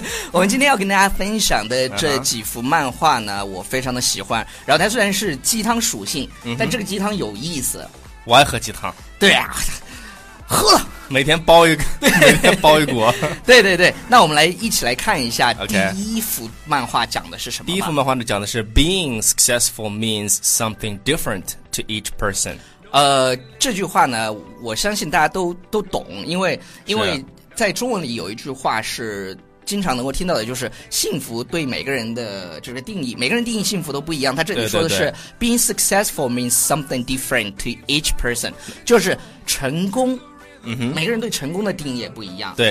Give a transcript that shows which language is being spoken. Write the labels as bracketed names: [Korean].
[Chinese] 我们今天要跟大家分享的这几幅漫画呢，我非常的喜欢，然后它虽然是鸡汤属性，但这个鸡汤有意思。我爱喝鸡汤。对啊，喝了每天包一个，每天包一锅。对对对，那我们来一起来看一下第一幅漫画讲的是什么。第一幅漫画讲的是 [English] Being successful means something different to each person。 [Chinese] 这句话呢我相信大家都懂，因为在中文里有一句话是经常能够听到的，就是幸福对每个人的就是定义，每个人定义幸福都不一样。他这里说的是，对对对， [English] Being successful means something different to each person， [Chinese] 就是成功，每个人对成功的定义也不一样。